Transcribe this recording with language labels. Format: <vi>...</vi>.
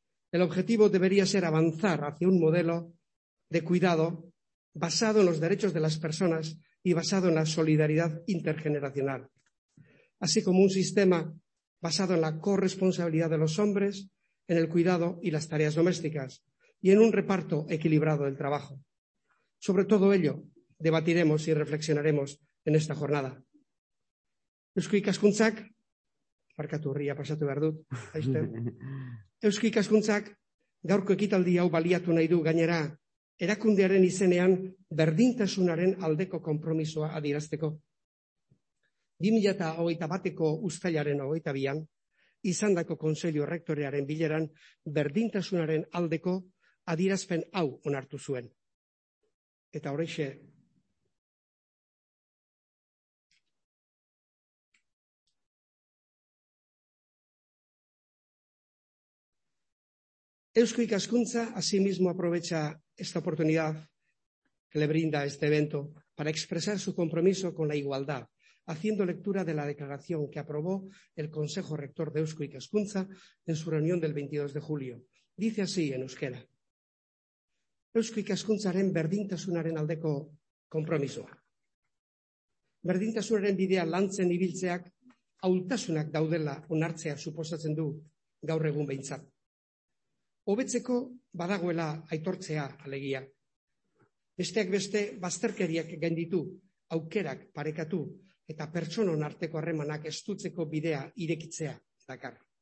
<es>El objetivo debería ser avanzar hacia un modelo de cuidado basado en los derechos de las personas y basado en la solidaridad intergeneracional, así como un sistema basado en la corresponsabilidad de los hombres en el cuidado y las tareas domésticas y en un reparto equilibrado del trabajo. Sobre todo ello debatiremos y reflexionaremos en esta jornada.</es> <eu>Eusko Ikaskuntzak, barkatu horria pasatu behar dut, aizten. Eusko Ikaskuntzak gaurko ekitaldi hau baliatu nahi du gainera, erakundearen izenean berdintasunaren aldeko konpromisoa adierazteko. 2021ko uztailaren 22an, izandako kontseilu rektorearen bileran berdintasunaren aldeko adierazpen hau onartu zuen. Eta horixe,</eu> <es>Eusko Ikaskuntza asimismo aprovecha esta oportunidad que le brinda este evento para expresar su compromiso con la igualdad, haciendo lectura de la declaración que aprobó el Consejo Rector de Eusko Ikaskuntza en su reunión del 22 de julio. Dice así en euskera.</es> <eu>Eusko Ikaskuntzaren berdintasunaren aldeko compromisoa. Berdintasunaren bidea lantzen ibiltzeak ahultasunak daudela onartzea suposatzen du gaur egun behintzat. Hobetzeko badagoela aitortzea alegia. Besteak beste bazterkeriak gainditu, aukerak parekatu eta pertsonon arteko harremanak estutzeko bidea irekitzea dakar.</eu>